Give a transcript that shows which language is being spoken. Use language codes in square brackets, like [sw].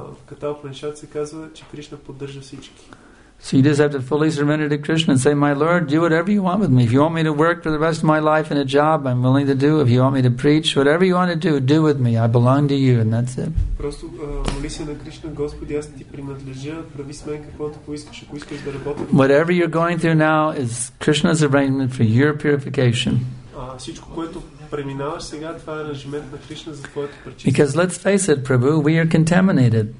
[bg] Katha Upanishad se kazva, che Krishna poddrža vsichki. [en] So you just have to fully surrender to Krishna and say, my Lord, do whatever you want with me. If you want me to work for the rest of my life in a job, I'm willing to do. If you want me to preach, whatever you want to do, do with me. I belong to you, and that's it. [bg] Просто молися на Кришна, Господи, аз ти принадлежа, прави с мен каквото поискаш, ако искаш да работиш. [en] Whatever you're going through now is Krishna's arrangement for your purification. [bg] Всичко, което преминаваш сега, това е аранжимент на Кришна за твоето пречистване. [en] Because let's face it, Prabhu, we are contaminated.